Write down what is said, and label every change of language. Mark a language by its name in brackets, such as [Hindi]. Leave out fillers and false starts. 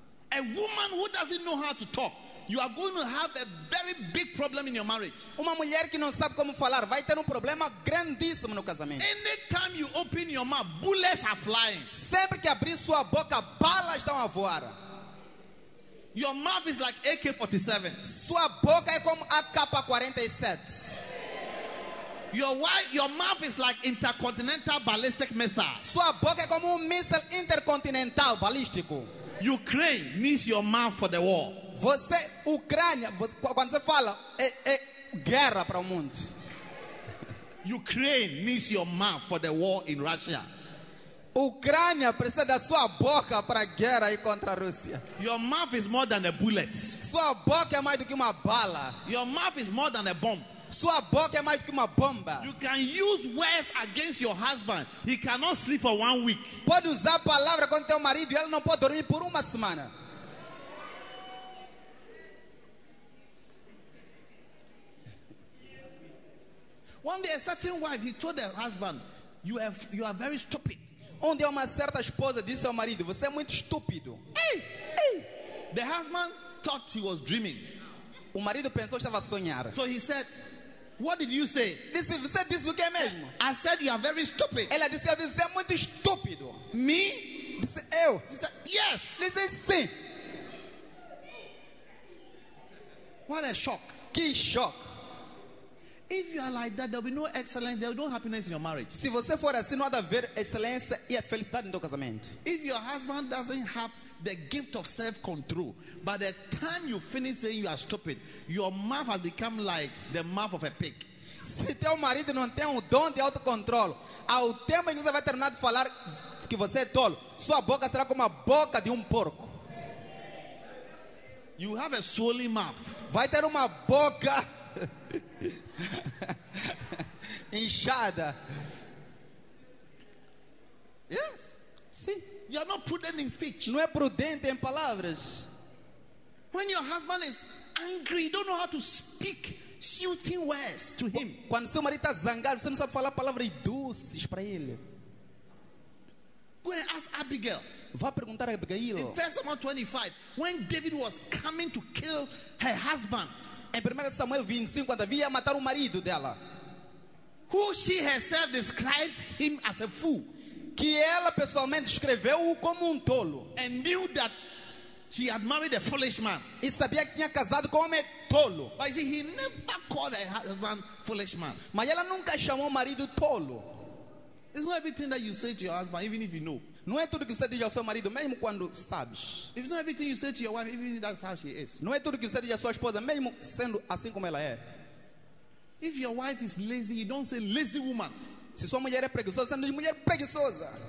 [English] A woman who doesn't know how to talk, you are going to have a very big problem in your marriage. [Portuguese] Uma mulher que não sabe como falar vai ter problema grandíssimo no casamento. [English] Anytime you open your mouth, bullets are flying. [Portuguese] Sempre que abrir sua boca, balas estão a voar. [English] Your mouth is like AK-47. [Portuguese] Sua boca é como AK-47. [English] Your mouth is like intercontinental ballistic missile. [Portuguese] Sua boca é como míssil intercontinental balístico. [English] Ukraine needs your mouth for the war. [Portuguese] Você, Ucrânia, quando você fala, é guerra para o mundo. [English] Ukraine needs your mouth for the war in Russia. [Portuguese] Ucrânia precisa da sua boca para a guerra contra a Rússia. [English] Your mouth is more than a bullet. [Portuguese] Sua boca é mais do que uma bala. [English] Your mouth is more than a bomb. [Portuguese] Sua boca é mais do que uma bomba. [English] You can use words against your husband. He cannot sleep for 1 week. [Portuguese] Pode usar palavra contra o marido e ele não pode dormir por uma semana. [English] One day a certain wife, he told her husband, you are very stupid. [Portuguese] Onde uma certa esposa disse ao marido, você é muito estúpido. [English] Hey, hey. The husband thought he was dreaming. [Portuguese] O marido pensou que estava a sonhar. [English] So he said, what did you say? [Portuguese] Disse, você disse o que mesmo? [English] I said you are very stupid. [Portuguese] Ela disse, você é muito estúpido. [English] Me? [Portuguese] Disse, eu. [English] She said, yes. [Portuguese] Disse, sim. [English] What a shock. [Portuguese] Que choque. [English] If you are like that, there will be no excellence, there will be no happiness in your marriage. [Portuguese] Se você for assim, não há de haver excelência e a felicidade no teu casamento. [English] If your husband doesn't have the gift of self-control, by the time you finish saying you are stupid, your mouth has become like the mouth of a pig. [Portuguese] Se teu marido não tem o dom de autocontrole, ao tempo em que você vai terminar de falar que você é tolo, sua boca será como a boca de porco. [English] You have a swollen mouth. [Portuguese] Vai ter uma boca inchada. [English] Yes. [Portuguese] Sim. [English] You are not prudent in speech. [Portuguese] Não é prudente em palavras. [English] When your husband is angry, you don't know how to speak soothing words to him. [Portuguese] Quando seu marido está zangado, você não sabe falar palavras doces para ele. [English] Go and ask Abigail. [Portuguese] Vá perguntar a Abigail. [English] In 1 Samuel 25, when David was coming to kill her husband. [Portuguese] Em 1 Samuel 25, quando Davi ia matar o marido dela. [English] Who she herself describes him as a fool. [Portuguese] Que ela pessoalmente escreveu-o como tolo. [English] And knew that she had married a foolish man. [Portuguese] E sabia que tinha casado com homem tolo. [English] But see, he never called her husband foolish man. [Portuguese] Mas ela nunca chamou o marido tolo. [English] It's not everything that you say to your husband, even if you know. [Portuguese] Não é tudo que você diz ao seu marido, mesmo quando sabes. [English] It's not everything you say to your wife, even if that's how she is. [Portuguese] Não é tudo que você diz à sua esposa, mesmo sendo assim como ela é. [English] If your wife is lazy, you don't say lazy woman. [Portuguese] Se sua mulher é preguiçosa, você não diz mulher preguiçosa.